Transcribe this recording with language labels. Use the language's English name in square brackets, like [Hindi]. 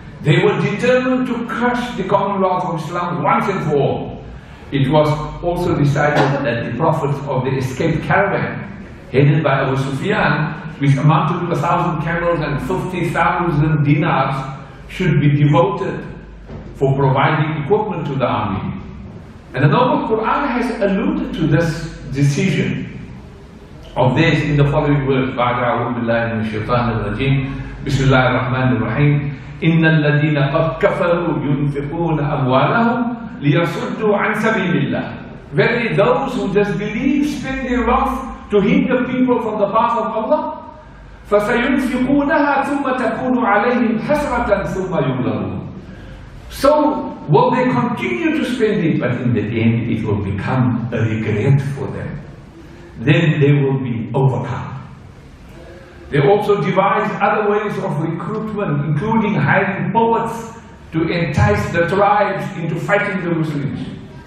[English] They were determined to crush the Commonwealth of Islam once and for all. It was also decided that the profits of the escaped caravan headed by Abu Sufyan, which amounted to 1,000 camels and 50,000 dinars, should be devoted for providing equipment to the army. And the Noble Quran has alluded to this decision of this in the following words: [Arabic] بعد أعوذ بالله من الشيطان الرجيم بسم الله الرحمن الرحيم إن الذين كفروا ينفقون أموالهم ليصدوا عن سبيل الله. [English] Verily, those who disbelieve spend their wealth to hinder people from the path of Allah. [Arabic] فسينفقونها ثم تكون عليهم حسرة ثم يغلبون. [English] So will they continue to spend it, but in the end it will become a regret for them. Then they will be overcome. They also devised other ways of recruitment, including hiring poets to entice the tribes into fighting the Muslims.